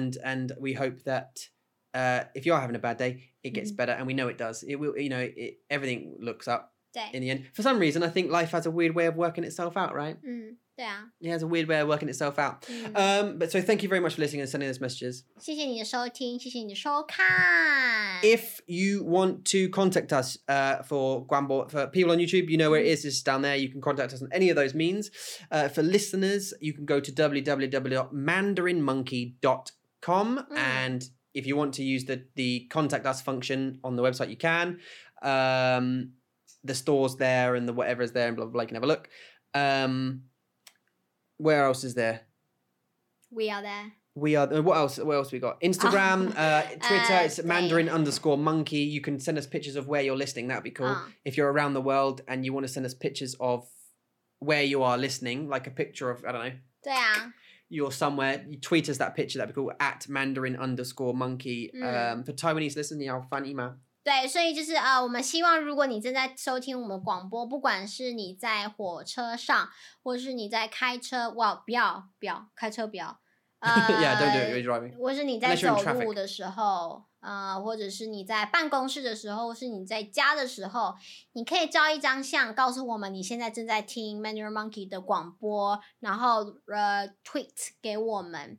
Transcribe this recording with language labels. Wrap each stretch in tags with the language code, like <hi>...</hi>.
<en>And we hope that if you are having a bad day, it gets better. And we know it does. It will, you know, everything looks up in the end. For some reason, I think life has a weird way of working itself out, right?</en> <zh>对啊。</zh> <en>It has a weird way of working itself out. But so thank you very much for listening and sending those messages.</en> <zh>谢谢你的收听，谢谢你的收看。</zh> <en>If you want to contact us for Guanbo, for people on YouTube, you know where it is. It's down there. You can contact us on any of those means. For listeners, you can go to www.mandarinmonkey.com. www.thepodcastnetwork.com mm. and if you want to use the contact us function on the website, you can. The store's there and the whatever is there and blah, blah, blah. You can have a look. Where else is there? We are there. We are. What else we got? Instagram, Twitter, it's Mandarin underscore monkey. You can send us pictures of where you're listening. That'd be cool. If you're around the world and you want to send us pictures of where you are listening, like a picture of, I don't know.</en> <zh>对啊.</zh> <en>You're somewhere, you tweet us that picture, that'd be cool, at Mandarin underscore monkey. For Taiwanese listeners,</en> <zh>你要翻译吗? 对，所以就是 我们希望如果你正在收听我们广播， 不管是你在火车上， 或是你在开车， 哇，不要，开车不要。</zh> <en>yeah, don't do it, you're driving.</en> <zh>或是你在走路的时候， 或者是你在办公室的时候， 或是你在家的时候， 你可以照一张相， 告诉我们你现在正在听 Mandarin Monkey的广播， 然后 tweet给我们。</zh>